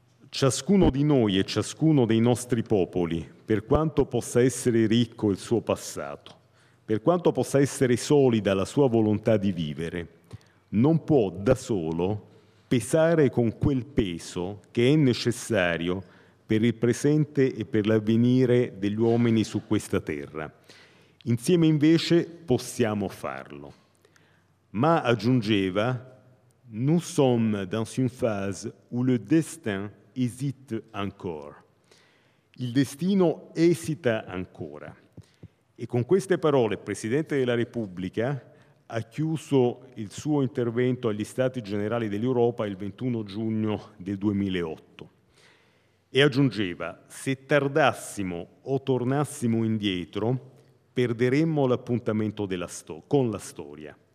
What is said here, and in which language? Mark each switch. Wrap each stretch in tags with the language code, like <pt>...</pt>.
<it>ciascuno di noi e ciascuno dei nostri popoli, per quanto possa essere ricco il suo passato, per quanto possa essere solida la sua volontà di vivere, non può da solo pesare con quel peso che è necessario per il presente e per l'avvenire degli uomini su questa terra. Insieme invece possiamo farlo. Ma aggiungeva:</it> <fr>nous sommes dans une phase où le destin hésite encore.</fr> <it>Il destino esita ancora. E con queste parole il Presidente della Repubblica ha chiuso il suo intervento agli Stati Generali dell'Europa il 21 giugno del 2008. E aggiungeva: se tardassimo o tornassimo indietro, perderemmo l'appuntamento con la storia.</it>